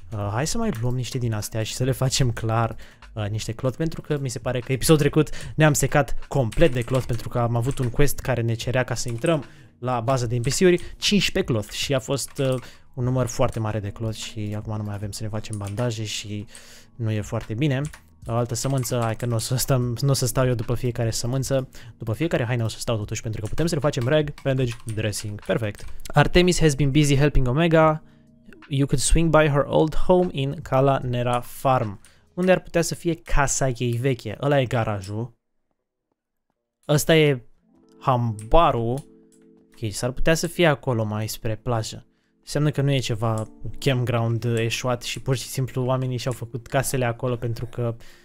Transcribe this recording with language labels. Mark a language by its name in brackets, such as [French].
[Romanian] Hai să mai luăm niște din astea și să le facem clar niște cloth, pentru că mi se pare că episodul trecut ne-am secat complet de cloth, pentru că am avut un quest care ne cerea, ca să intrăm la baza de NPC-uri, 15 cloth și a fost un număr foarte mare de cloth și acum nu mai avem să ne facem bandaje și nu e foarte bine. O altă sămânță, hai că n-o să stau eu după fiecare sămânță, după fiecare haină o să stau totuși, pentru că putem să le facem rag, bandage, dressing, perfect. [English] Artemis has been busy helping Omega. You could swing by her old home in Cala Nera Farm. [Romanian] Unde ar putea să fie casa ei veche? Ăla e garajul. Ăsta e hambarul. Ok, s-ar putea să fie acolo, mai spre plajă. Înseamnă că nu e ceva campground eșuat și pur și simplu oamenii și-au făcut casele acolo pentru că...